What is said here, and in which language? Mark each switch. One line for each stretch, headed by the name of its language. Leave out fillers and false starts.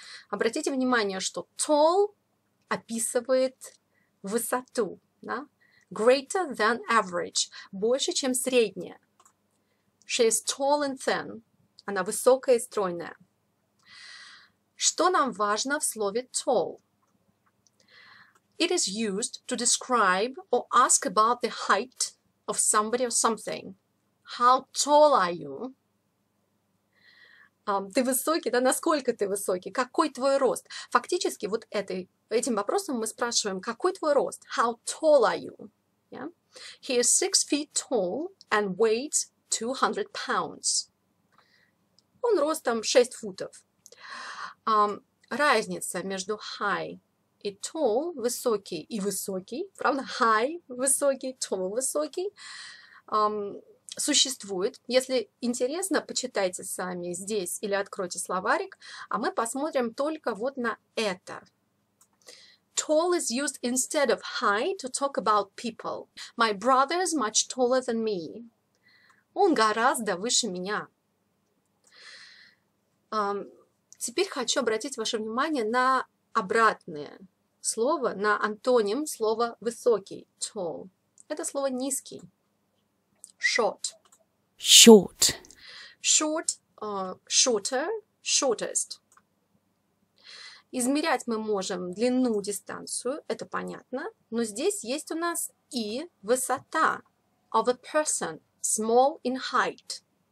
Russian: Обратите внимание, что tall описывает высоту, да?
English: Greater than average,
Russian: больше, чем средняя.
English: She is tall and thin.
Russian: Она высокая и стройная. Что нам важно в слове tall?
English: It is used to describe or ask about the height of somebody or something. How tall are you?
Russian: Ты высокий, да? Насколько ты высокий? Какой твой рост? Фактически, вот этим вопросом мы спрашиваем, какой твой рост?
English: How tall are you? Yeah? He is 6 feet tall and weighs 200 pounds.
Russian: Он ростом 6 футов. Разница между high и tall, высокий, и высокий, правда, high, высокий, tall, высокий, существует. Если интересно, почитайте сами здесь или откройте словарик, а мы посмотрим только вот на это.
English: Tall is used instead of high to talk about people. My brother is much taller than me.
Russian: Он гораздо выше меня. Теперь хочу обратить ваше внимание на обратное слово, на антоним слова «высокий» – «tall». Это слово «низкий» – «short». «Short». «Short» – «shorter», «shortest». Измерять мы можем длину, дистанцию, это понятно, но здесь есть у нас и высота – «of a person»,
English: «small in height».